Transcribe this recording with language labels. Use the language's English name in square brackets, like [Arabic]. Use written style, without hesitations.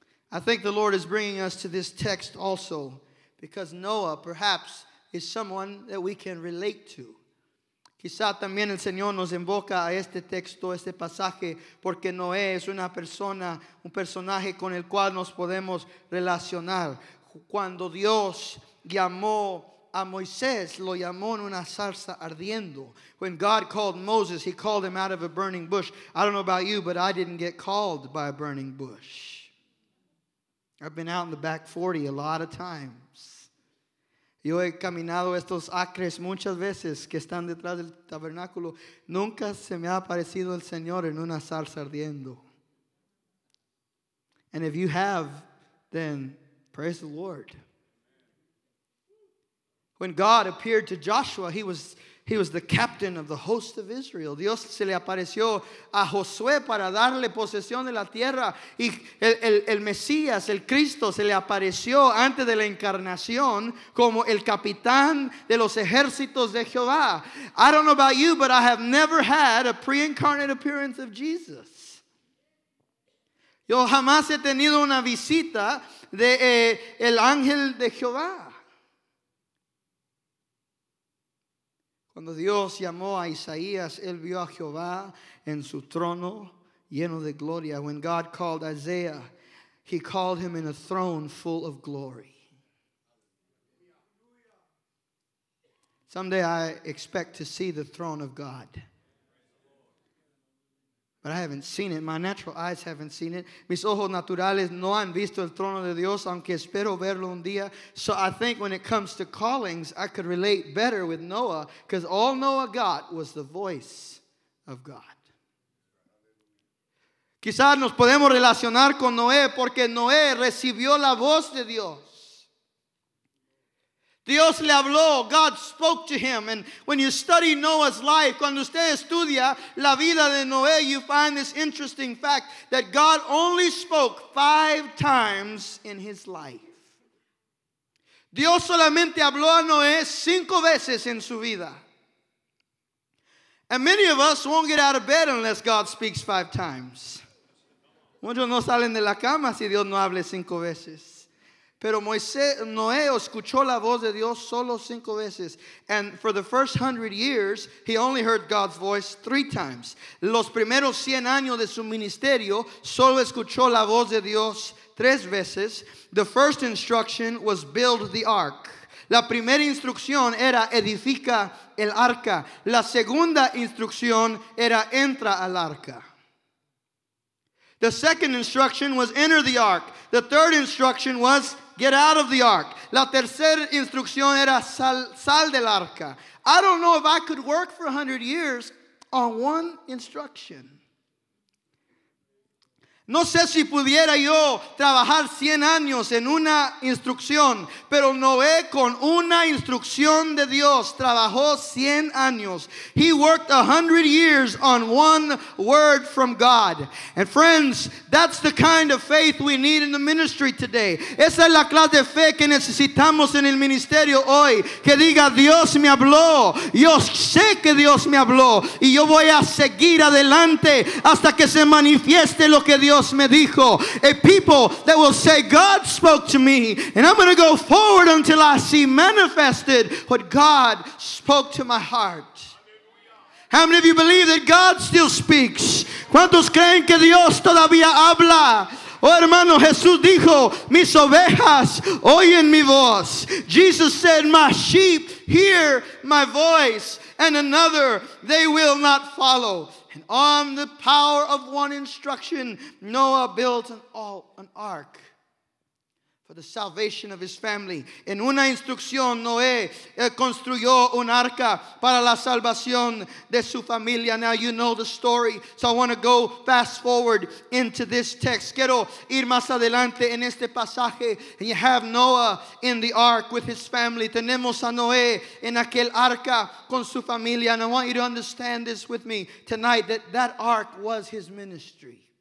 [English] I think the Lord is bringing us to this text also because Noah perhaps is someone that we can relate to. [Spanish] Quizá también el Señor nos invoca a este texto, este pasaje, porque Noé es una persona, un personaje con el cual nos podemos relacionar. Cuando Dios llamó a Moisés, lo llamó en una zarza ardiendo. [English] When God called Moses, he called him out of a burning bush. I don't know about you, but I didn't get called by a burning bush. I've been out in the back 40 a lot of times. [Spanish] Yo he caminado estos acres muchas veces que están detrás del tabernáculo. Nunca se me ha aparecido el Señor en una zarza ardiendo. [English] And if you have, then praise the Lord. When God appeared to Joshua, he was the captain of the host of Israel. [Spanish] Dios se le apareció a Josué para darle posesión de la tierra. Y el Mesías, el Cristo, se le apareció antes de la encarnación como el capitán de los ejércitos de Jehová. [English] I don't know about you, but I have never had a pre-incarnate appearance of Jesus. [Spanish] Yo jamás he tenido una visita de el ángel de Jehová. Cuando Dios llamó a Isaías, él vio a Jehová en su trono lleno de gloria. [English] When God called Isaiah, he called him in a throne full of glory. Someday I expect to see the throne of God. But I haven't seen it. My natural eyes haven't seen it. [Spanish] Mis ojos naturales no han visto el trono de Dios, aunque espero verlo un día. [English] So I think when it comes to callings, I could relate better with Noah, because all Noah got was the voice of God. [Spanish] Quizás nos podemos relacionar con Noé, porque Noé recibió la voz de Dios. Dios le habló, [English] God spoke to him. And when you study Noah's life, [Spanish] cuando usted estudia la vida de Noé, [English] you find this interesting fact that God only spoke 5 times in his life. [Spanish] Dios solamente habló a Noé 5 veces en su vida. [English] And many of us won't get out of bed unless God speaks 5 times. [Spanish] Muchos no salen de la cama si Dios no hable 5 veces. Pero Moisés, Noé escuchó la voz de Dios solo 5 veces. [English] And for the first 100 years, he only heard God's voice 3 times. [Spanish] Los primeros 100 años de su ministerio, solo escuchó la voz de Dios 3 veces. [English] The first instruction was build the ark. [Spanish] La primera instrucción era edifica el arca. La segunda instrucción era entra al arca. [English] The second instruction was enter the ark. The third instruction was get out of the ark. [Spanish] La tercera instrucción era sal del arca. [English] I don't know if I could work for 100 years on one instruction. [Spanish] No sé si pudiera yo trabajar 100 años en una instrucción, pero Noé con una instrucción de Dios trabajó 100 años. [English] He worked 100 years on one word from God. And friends, that's the kind of faith we need in the ministry today. [Spanish] Esa es la clase de fe que necesitamos en el ministerio hoy. Que diga, Dios me habló. Yo sé que Dios me habló. Y yo voy a seguir adelante hasta que se manifieste lo que Dios me dijo. [English] A people that will say, God spoke to me, and I'm going to go forward until I see manifested what God spoke to my heart. How many of you believe that God still speaks? [Spanish] ¿Cuántos creen que Dios todavía habla? Oh, hermano, Jesús dijo, mis ovejas oyen mi voz. [English] Jesus said, my sheep hear my voice, and another they will not follow. And on the power of one instruction, Noah built an ark for the salvation of his family. [Spanish] En una instrucción, Noé construyó un arca para la salvación de su familia. [English] Now you know the story, so I want to go fast forward into this text. [Spanish] Quiero ir más adelante en este pasaje. [English] And you have Noah in the ark with his family. [Spanish] Tenemos a Noé en aquel arca con su familia. [English] And I want you to understand this with me tonight, that that ark was his ministry.